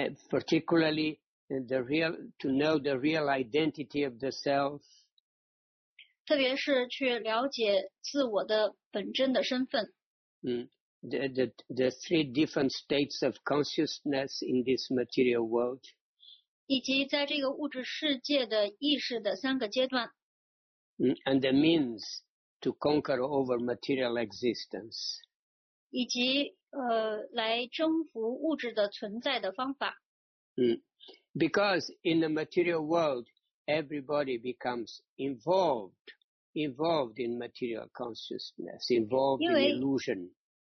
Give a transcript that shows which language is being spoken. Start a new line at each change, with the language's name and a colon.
English: Particularly to know the real identity of the self.
Chinese: 特别是去了解自我的本真的身份。
English: The three different states of consciousness in this material world.
Chinese: 以及在这个物质世界的意识的三个阶段。
English: And the means to conquer over material existence.
Chinese: 以及 来征服物质的存在的方法。
English: Because in the material world, everybody becomes involved in material consciousness, involved in illusion.